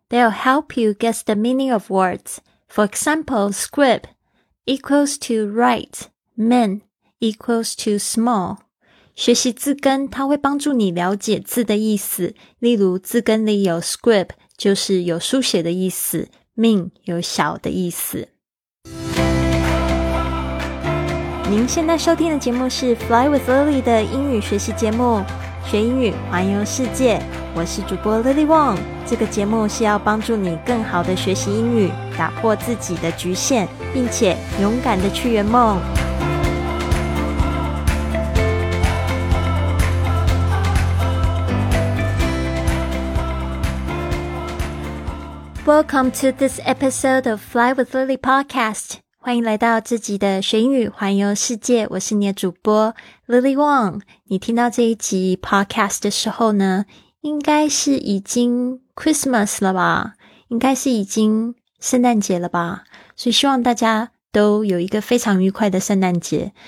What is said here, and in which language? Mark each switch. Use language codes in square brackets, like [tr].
[en] They'll help you guess the meaning of words. For example, squib equals to right, men equals to small. [zh] 学习字根，它会帮助你了解字的意思。例如，字根里有 squib 就是有书写的意思 ，min 有小的意思。您现在收听的节目是 Fly with Lily 的英语学习节目，学英语环游世界。我是主播 Lily Wong， 这个节目是要帮助你更好的学习英语，打破自己的局限，并且勇敢的去圆梦。 [en] Welcome to this episode of Fly with Lily podcast. [zh] 欢迎来到这集的学英语环游世界，我是你的主播 Lily Wong。你听到这一集 podcast 的时候呢，应该是已经 Christmas 了吧，应该是已经圣诞节了吧，所以希望大家都有一个非常愉快的圣诞节。